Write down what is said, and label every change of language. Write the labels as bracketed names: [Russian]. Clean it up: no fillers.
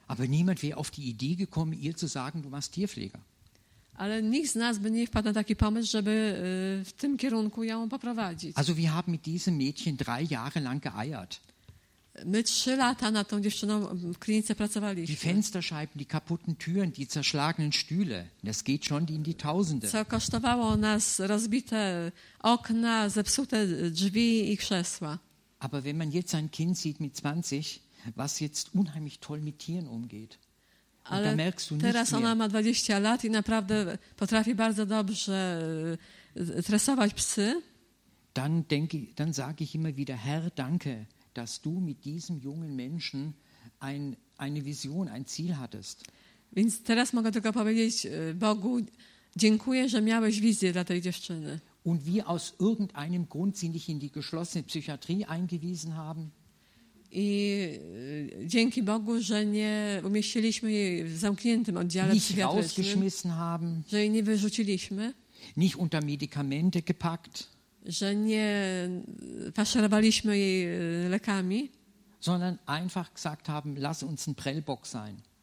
[German] Aber niemand wäre auf die Idee gekommen, ihr zu sagen, du machst Tierpfleger. [Polish] Ale nikt z nas by nie wpadł na taki pomysł, żeby w tym kierunku ją poprowadzić. [German] Also wir haben mit diesem Mädchen drei Jahre lang geeiert. [Polish] My trzy lata nad tą dziewczyną w klinice pracowaliśmy. [German] Die Fensterscheiben, die kaputten Türen, die zerschlagenen Stühle, das geht schon in die Tausende. [Polish] Co kosztowało nas rozbite okna, zepsute drzwi i krzesła. [German] Aber wenn man jetzt ein Kind sieht mit 20, was jetzt unheimlich toll mit Tieren umgeht, [Polish] ale [German] da merkst du nicht [Polish] teraz [German] mehr. [Polish] Ona ma 20 lat i naprawdę potrafi bardzo dobrze tresować psy. [German] Dann sage ich immer wieder, Herr, danke, dass du mit diesem jungen Menschen eine Vision, ein Ziel hattest. [Polish] Więc teraz mogę tylko powiedzieć Bogu, dziękuję, że miałeś wizję dla tej dziewczyny. [German] Und wir aus irgendeinem Grund sie nicht in die geschlossene Psychiatrie eingewiesen haben. [Polish] I dzięki Bogu, że nie umieściliśmy jej w zamkniętym oddziale [German] nicht [Polish] psychiatrycznym. [German] Nicht rausgeschmissen haben. [Polish] Że jej nie wyrzuciliśmy. [German] Nicht unter Medikamente gepackt. [Polish] Że nie faszerowaliśmy jej lekami, [German] sondern einfach gesagt haben, lass uns ein Prellbock sein.